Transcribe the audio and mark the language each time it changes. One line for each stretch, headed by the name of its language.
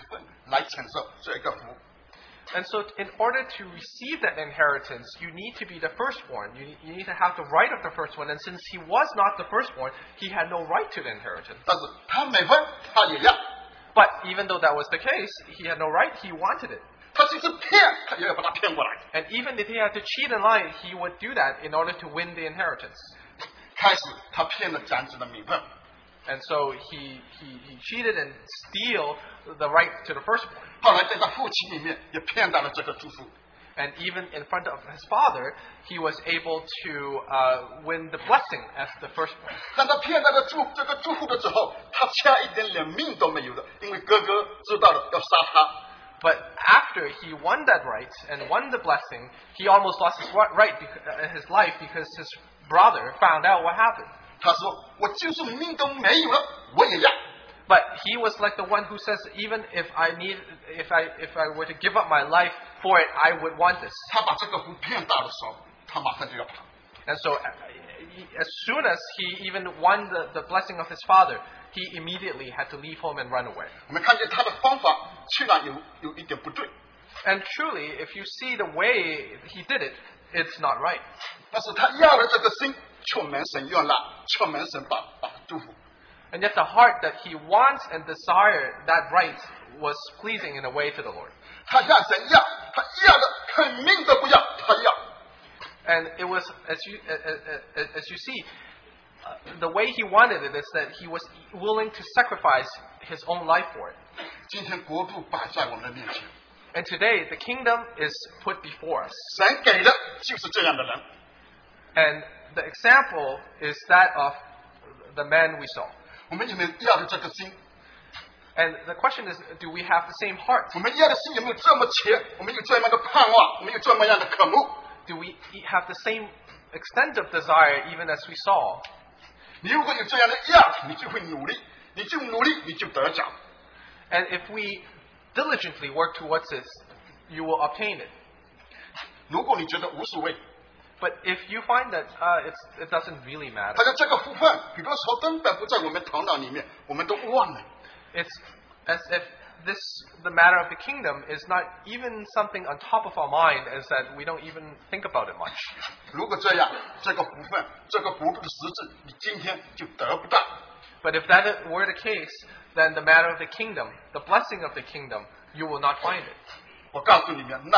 Chinese: 要承受的是个长子的名分来承受，换一句话说，他不是长子，他就没有份来承受这个福。
English: And so, in order to receive that inheritance, you need to be the firstborn. You need to have the right of the firstborn. And since he was not the firstborn, he had no right to the inheritance.
Chinese: 但是他没份，他也要。
English: But even though that was the case, he had no right. He wanted it.
Chinese: 他就是骗，他也要把他骗过来。
English: And even if he had to cheat and lie, he would do that in order to win the inheritance.
Chinese: 开始，他骗了长子的名分。
English: And so he cheated and steal the right to the firstborn.
Chinese: 后来在他父亲里面也骗到了这个祝福。
English: And even in front of his father, he was able to win the blessing as the firstborn.
Chinese: 但他骗到了这个祝福的时候，他差一点连命都没有了，因为哥哥知道了要杀他。
English: But after he won that right and won the blessing, he almost lost his right, his life, because his brother found out what happened.
Chinese: 他说我就是命都没有了，我也要。
English: But he was like the one who says, even if I need, if I were to give up my life for it, I would want this.
Chinese: 他把这个福骗到的时候，他马上就要跑。
English: And so, as soon as he even won the blessing of his father, he immediately had to leave home and run away.
Chinese: 我们看见他的方法，竟然有一点不对。
English: And truly, if you see the way he did it, it's not right.
Chinese: 但是他要了这个心，却蒙神悦纳，却蒙神把祝福。
English: And yet the heart that he wants and desired that right was pleasing in a way to the Lord.
Chinese: 他要神要，他要的肯定都不要，他要。
English: And it was, as you see, the way he wanted it is that he was willing to sacrifice his own life for it.
Chinese: 今天国度摆在我们的面前。
English: And today, the kingdom is put before us.
Chinese: 神给的就是这样的人。
English: And the example is that of the man we saw.
Chinese: 我们有没有要的这个心?
English: And the question is, do we have the same heart?
Chinese: 我们要的心有没有这么切? 我们有这么样的盼望?我们有这么样的渴慕?
English: Do we have the same extent of desire even as we saw?
Chinese: 你如果有这样的要, 你就会努力, 你就努力, 你就得奖。
English: And if we diligently work towards it, you will obtain it.
Chinese: 如果你觉得无所谓,
English: But if you find that it doesn't really matter,
Chinese: 他的这个福分,比如说根本不在我们头脑里面,我们都忘了。
English: It's as if this the matter of the kingdom is not even something on top of our mind is that we don't even think about it much.
Chinese: 如果这样,这个福分,这个福分的实质,你今天就得不到。
English: But if that were the case, then the matter of the kingdom, the blessing of the kingdom, you will not find it.